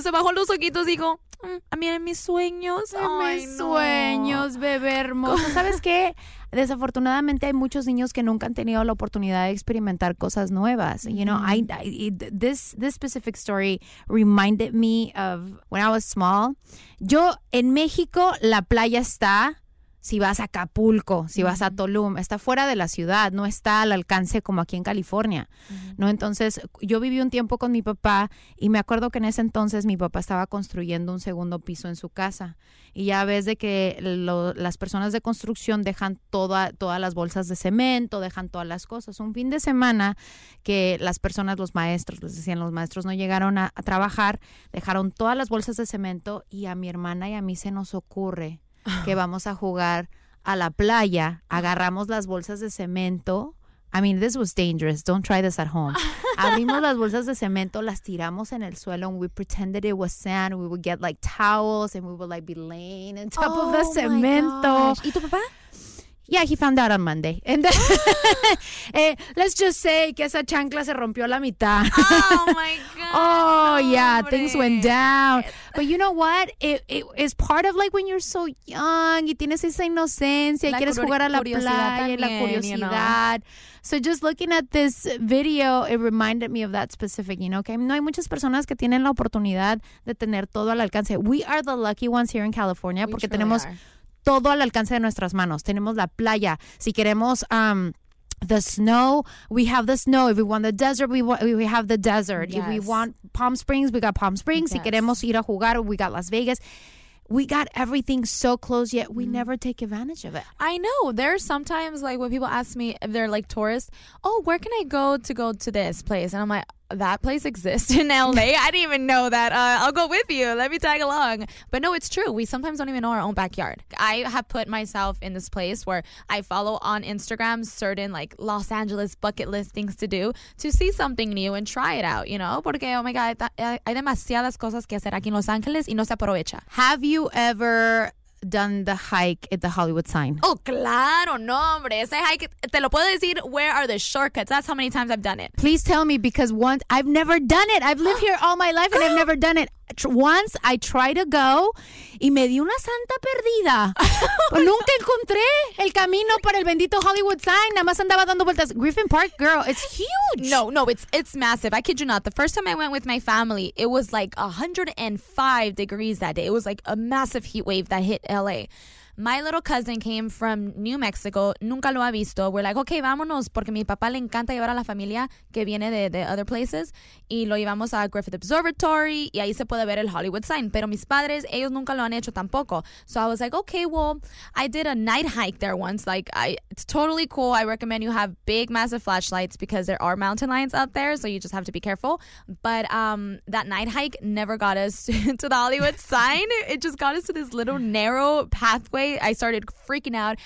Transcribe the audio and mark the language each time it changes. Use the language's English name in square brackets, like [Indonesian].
[Spanish] Se bajó los ojitos y dijo, a mí en mis sueños. Sueños, bebé hermoso. ¿Sabes qué? Desafortunadamente hay muchos niños que nunca han tenido la oportunidad de experimentar cosas nuevas. [English] You know, this specific story reminded me of when I was small. [Spanish] Yo, en México, la playa está... Si vas a Acapulco, si vas a Tulum, está fuera de la ciudad, no está al alcance como aquí en California, ¿no? Entonces, yo viví un tiempo con mi papá y me acuerdo que en ese entonces mi papá estaba construyendo un segundo piso en su casa. Y ya ves de que las personas de construcción dejan todas las bolsas de cemento, dejan todas las cosas. Un fin de semana que las personas, los maestros, les decían los maestros, no llegaron a trabajar, dejaron todas las bolsas de cemento y a mi hermana y a mí se nos ocurre que vamos a jugar a la playa, agarramos las bolsas de cemento. [English] I mean, this was dangerous. Don't try this at home. [Spanish] Abrimos las bolsas de cemento, las tiramos en el suelo, [English] and we pretended it was sand. We would get like towels and we would like be laying on top of the cemento. [Spanish] ¿Y tu papá? [English] Yeah, he found out on Monday. And then, let's just say [Spanish] que esa chancla se rompió la mitad. [English] Oh, my God. Oh, yeah, things went down. But you know what? It is part of like when you're so young [Spanish] y tienes esa inocencia y quieres jugar a la playa, la curiosidad. [English] So just looking at this video, it reminded me of that specific, you know, okay? [Spanish] No hay muchas personas que tienen la oportunidad de tener todo al alcance. [English] We are the lucky ones here in California [Spanish] porque tenemos... todo al alcance de nuestras manos. Tenemos la playa. Si queremos [English] the snow, we have the snow. If we want the desert, we have the desert. Yes. If we want Palm Springs, we got Palm Springs. Yes. [Spanish] Si queremos ir a jugar, [English] we got Las Vegas. We got everything so close, yet we never take advantage of it. I know. There are sometimes, like, when people ask me, if they're, like, tourists, oh, where can I go to this place? And I'm like, that place exists in LA. I didn't even know that. I'll go with you. Let me tag along. But no, it's true. We sometimes don't even know our own backyard. I have put myself in this place where I follow on Instagram certain like Los Angeles bucket list things to do to see something new and try it out, you know? [Spanish] Porque, [English] oh my God, [Spanish] hay demasiadas cosas que hacer aquí en Los Angeles y no se aprovecha. [English] Have you ever done the hike at the Hollywood sign? [Spanish] Oh, claro, no, hombre. Ese hike, te lo puedo decir, [English] where are the shortcuts? That's how many times I've done it. Please tell me, because once, I've never done it. I've lived here all my life and I've never done it. Once I tried to go [Spanish] y me di una santa perdida. Nunca encontré el camino para el bendito Hollywood sign. Nada más andaba dando vueltas. [English] Griffin Park, girl, it's huge. No, it's massive. I kid you not. The first time I went with my family, it was like 105 degrees that day. It was like a massive heat wave that hit LA. My little cousin came from New Mexico. [Spanish] Nunca lo ha visto. [English] We're like, okay, [Spanish] vámonos, porque mi papá le encanta llevar a la familia que viene de [English] other places. [Spanish] Y lo llevamos a Griffith Observatory, y ahí se puede ver el Hollywood sign. Pero mis padres, ellos nunca lo han hecho tampoco. [English] So I was like, okay, well, I did a night hike there once. Like, it's totally cool. I recommend you have big, massive flashlights because there are mountain lions out there, so you just have to be careful. But that night hike never got us to the Hollywood sign. It just got us to this little narrow pathway. I started freaking out.